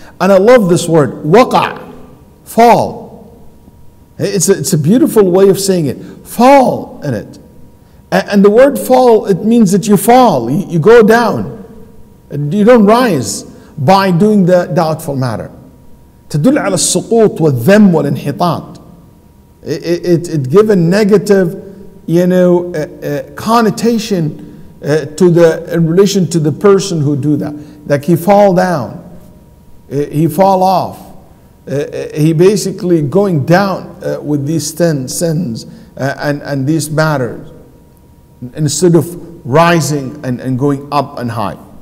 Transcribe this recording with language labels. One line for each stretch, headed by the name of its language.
English: And I love this word, waqa'a, fall. It's a beautiful way of saying it. Fall in it. And the word fall, it means that you fall. You go down. You don't rise by doing the doubtful matter.
Arabic: تدل على السقوط والذم والانحطاط.
English: It gives a negative, you know, connotation to the in relation to the person who do that. Like he fall down. He fall off. He basically going down with these sins and these matters instead of rising and going up and high.